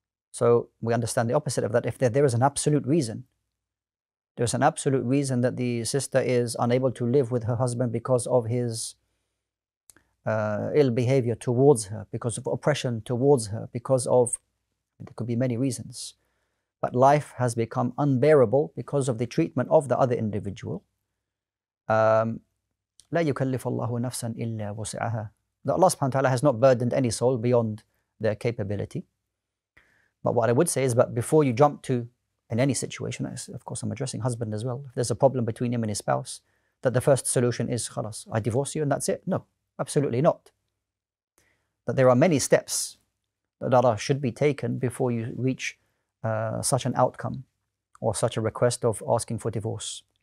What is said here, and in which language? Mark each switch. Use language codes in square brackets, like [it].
[en] So we understand the opposite of that. If there is an absolute reason, there's an absolute reason that the sister is unable to live with her husband because of his ill behavior towards her, because of oppression towards her, because of, there could be many reasons, but life has become unbearable because of the treatment of the other individual. [ar] لا يكلف الله نفسا إلا وسعها. [en] That Allah subhanahu wa ta'ala has not burdened any soul beyond their capability. But what I would say is that before you jump to, in any situation, of course I'm addressing husband as well, if there's a problem between him and his spouse, that the first solution is, khalas, I divorce you and that's it. No, absolutely not. That there are many steps that should be taken before you reach such an outcome or such a request of asking for divorce.